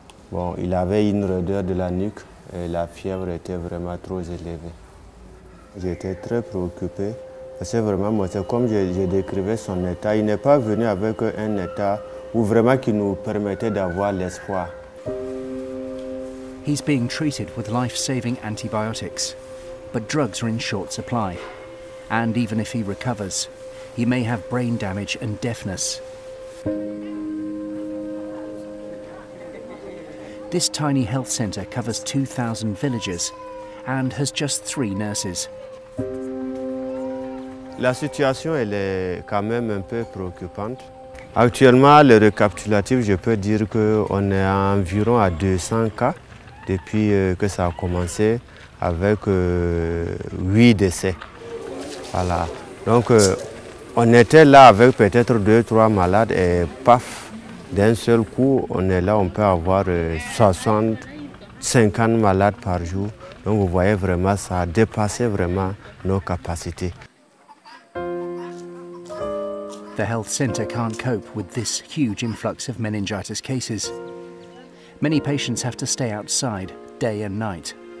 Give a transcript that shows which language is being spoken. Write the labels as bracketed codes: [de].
[fr] Bon, il avait une raideur de la nuque et la fièvre était vraiment trop élevée. J'étais très préoccupé. C'est vraiment moi, c'est comme je décrivais son état. Il n'est pas venu avec un état où vraiment qui nous permettait d'avoir l'espoir. [en] He's being treated with life-saving antibiotics, but drugs are in short supply. And even if he recovers, he may have brain damage and deafness. This tiny health center covers 2,000 villages and has just three nurses. [fr] La situation elle est quand même un peu préoccupante. Actuellement, le récapitulatif, je peux dire qu'on est à environ à 200 cas. Depuis que ça a commencé avec 8 décès. Voilà. Donc on était là avec peut-être 2-3 malades et paf, d'un seul coup, on est là, on peut avoir 60-50 malades par jour. Donc vous voyez vraiment, ça a dépassé vraiment nos capacités. [en] The health center can't cope with this huge influx of meningitis cases. Many patients have to stay outside day and night.